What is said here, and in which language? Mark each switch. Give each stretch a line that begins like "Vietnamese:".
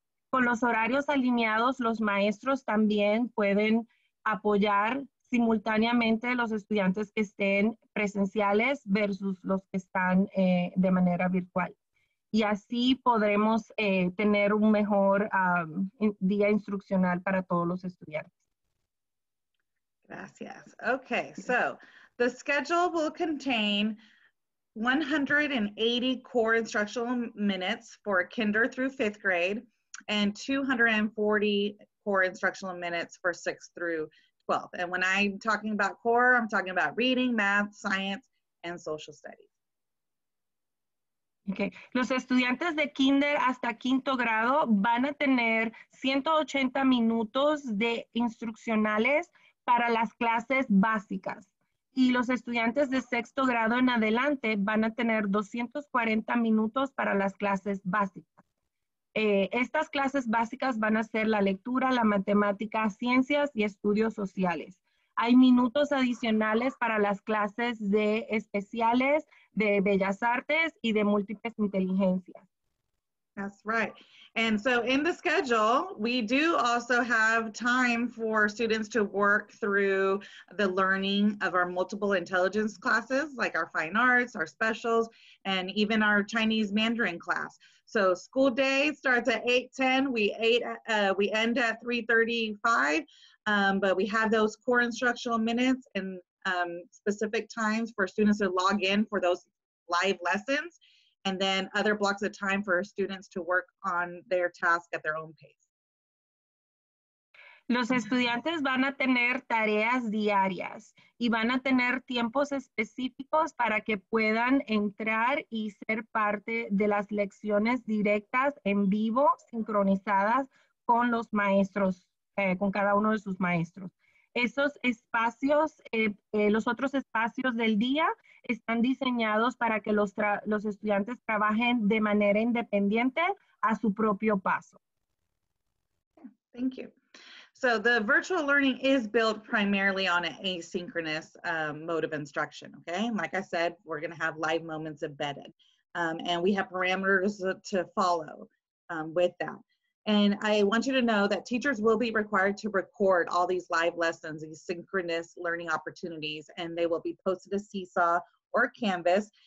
Spanish: Con los horarios alineados, los maestros también pueden apoyar simultáneamente los estudiantes que estén presenciales versus los que están de manera virtual. Y así podremos tener un mejor día instruccional para todos los estudiantes. Gracias.
English: Okay, so the schedule will contain 180 core instructional minutes for kinder through fifth grade and 240 core instructional minutes for sixth through 12th. And when I'm talking about core, I'm talking about reading, math, science, and social studies. Okay.
Spanish: Los estudiantes de kinder hasta quinto grado van a tener 180 minutos de instruccionales para las clases básicas. Y los estudiantes de sexto grado en adelante van a tener 240 minutos para las clases básicas. Estas clases básicas van a ser la lectura, la matemática, ciencias y estudios sociales. Hay minutos adicionales para las clases de especiales, de bellas artes y de múltiples inteligencias.
English: That's right. And so in the schedule, we do also have time for students to work through the learning of our multiple intelligence classes, like our fine arts, our specials, and even our Chinese Mandarin class. So school day starts at 8:10. We end at 3:35, but we have those core instructional minutes and specific times for students to log in for those live lessons. And then other blocks of time for students to work on their task at their own pace.
Spanish: Los estudiantes van a tener tareas diarias y van a tener tiempos específicos para que puedan entrar y ser parte de las lecciones directas en vivo, sincronizadas con los maestros, con cada uno de sus maestros. Esos espacios, los otros espacios del día están diseñados para que los estudiantes trabajen de manera independiente a su propio paso.
English: Thank you. So the virtual learning is built primarily on an asynchronous mode of instruction, okay? Like I said, we're going to have live moments embedded. And we have parameters to follow with that. And I want you to know that teachers will be required to record all these live lessons, these synchronous learning opportunities, and they will be posted to Seesaw or Canvas.